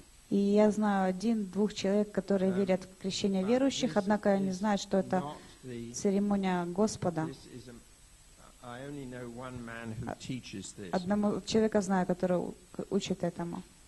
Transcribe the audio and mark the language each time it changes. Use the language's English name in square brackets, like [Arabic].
[Russian] И я знаю один-двух человек, которые верят в крещение верующих, однако они знают, что это церемония Господа. [English] I only know one man who teaches this. [Russian] Одного человека знаю, который учит этому.